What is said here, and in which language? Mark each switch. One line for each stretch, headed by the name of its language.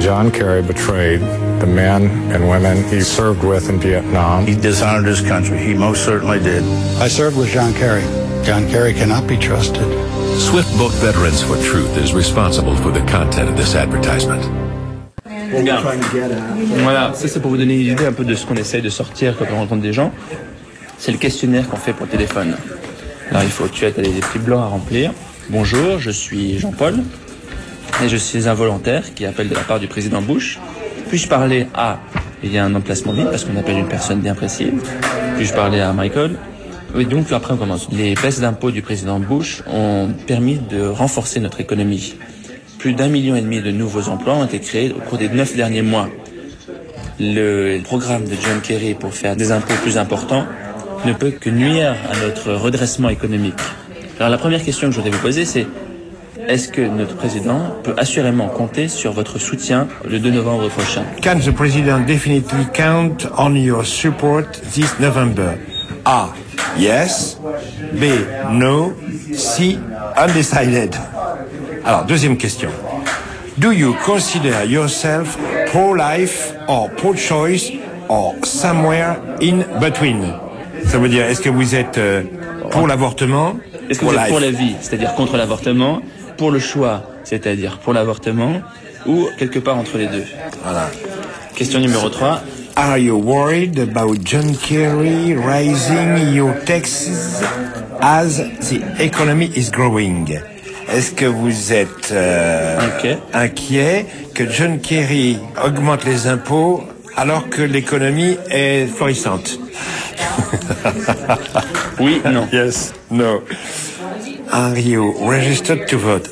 English: John Kerry betrayed the men and women he served with in Vietnam. He dishonored his country. He most certainly did. I served with John Kerry. John Kerry cannot be trusted. Swift Book Veterans for Truth is responsible for the content of this advertisement.
French: Voilà, ça c'est pour vous donner une idée un peu de ce qu'on essaye de sortir quand on rencontre des gens. C'est le questionnaire qu'on fait pour téléphone. Alors il faut, tu as des petits blancs à remplir. Bonjour, je suis Jean-Paul et je suis un volontaire qui appelle de la part du président Bush. Puis-je parler à, il y a un emplacement vide parce qu'on appelle une personne bien précise. Puis-je parler à Michael? Oui, donc après on commence. Les baisses d'impôts du président Bush ont permis de renforcer notre économie. Plus d'1,5 million de nouveaux emplois ont été créés au cours des 9 derniers mois. Le programme de John Kerry pour faire des impôts plus importants ne peut que nuire à notre redressement économique. Alors la première question que je voudrais vous poser, c'est est-ce que notre président peut assurément compter sur votre soutien le 2 novembre prochain?
English: Can the president definitely count on your support this November? Ah. Yes, B, no, C, undecided.
French: Alors, deuxième question.
English: Do you consider yourself pro-life or pro-choice or somewhere in between?
French: Ça veut dire, est-ce que vous êtes pour l'avortement? Est-ce que vous êtes pour la vie, c'est-à-dire contre l'avortement, pour le choix, c'est-à-dire pour l'avortement, ou quelque part entre les deux? Voilà. Question numéro 3.
English: Are you worried about John Kerry raising your taxes as the economy is growing?
French: Est-ce que vous êtes inquiet que John Kerry augmente les impôts alors que l'économie est florissante? Oui, non.
English: Yes, no. Are you registered to vote?